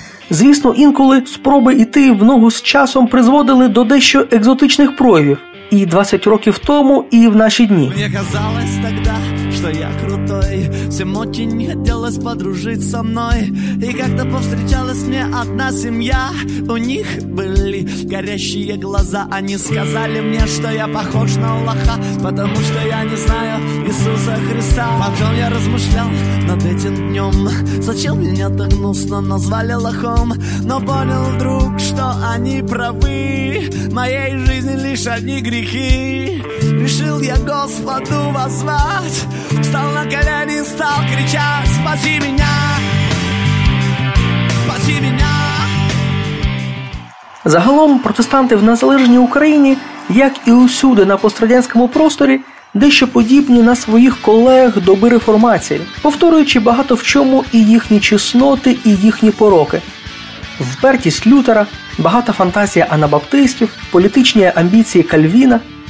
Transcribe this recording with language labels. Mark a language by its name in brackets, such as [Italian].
[Ukrainian] Звісно, інколи спроби йти в ногу з часом призводили до дещо екзотичних проявів. І 20 років тому, і в наші дні. [Russian] Мені казалось тогда, що я крутой. Всім очень хотілось подружить со мной. І як-то повстречалась мне одна сім'я. [Ukrainian] У них були [Russian] горящие глаза. Они сказали мне, що я похож на лоха. Потому що я не знаю Ісуса Христа. Потом я розмышлял над этим днем. Зачем меня так гнусно назвали лохом? Но понял вдруг, что они правы. Моей жизни лишь одни грехи. Решил я Господу воззвать. Встал на колени, стал кричать: спаси меня, спаси меня. [Ukrainian] Загалом протестанти в незалежній Україні, як і усюди на пострадянському просторі, дещо подібні на своїх колег доби реформації, повторюючи багато в чому і їхні чесноти, і їхні пороки. Впертість Лютера, багата фантазія анабаптистів, політичні амбіції Кальвіна.